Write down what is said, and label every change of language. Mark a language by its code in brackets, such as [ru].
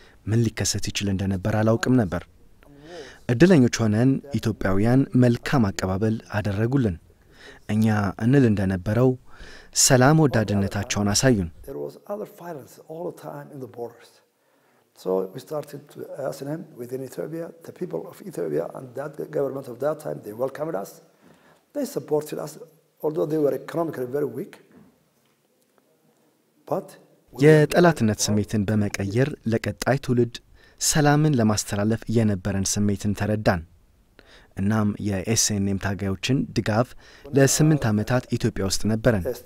[am] ምን ሊከሰት ይችላል እንደነበር አላውቅም ነበር። እድለኞች ሆነን ኢትዮጵያውያን መልካም አቀባበል አደረጉልን። እኛ እንል እንደነበረው ሰላም ወዳድነታቸውን አሳዩን። [en] There was other violence all the time in the borders. So we started to SNM within Ethiopia, the people of Ethiopia and that government of that time they welcomed us. They supported us although they were economically very weak. But [am] የጠላትነት ስሜትን በመቀየር ለቀጣይ ትውልድ ሰላምን ለማስተላለፍ የነበረን ስሜትን ተረዳን። እናም የኤስኤንኤም ታጋዮችን ድጋፍ ለ8 ዓመታት ኢትዮጵያ ውስጥ ነበርን።